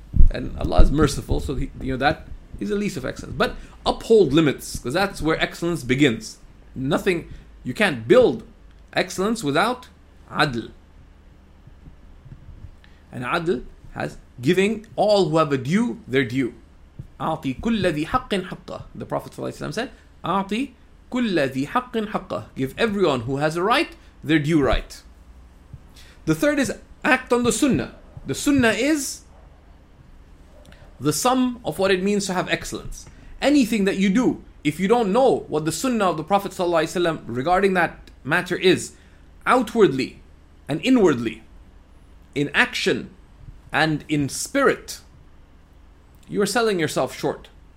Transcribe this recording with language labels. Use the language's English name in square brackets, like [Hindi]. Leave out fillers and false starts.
[English] And Allah is merciful, so that is the least of excellence. But uphold limits, because that's where excellence begins. Nothing, you can't build excellence without adl. And adl has giving all who have a due their due. [Arabic] أَعْطِي كُلَّ ذِي حَقٍ حَقَّهُ. [English] The Prophet ﷺ said, [Arabic] أَعْطِي كُلَّ ذِي حَقٍ حَقَّهُ. [English] Give everyone who has a right their due right. The third is act on the sunnah. The sunnah is the sum of what it means to have excellence. Anything that you do, if you don't know what the sunnah of the Prophet ﷺ regarding that matter is, outwardly and inwardly, in action and in spirit, you are selling yourself short.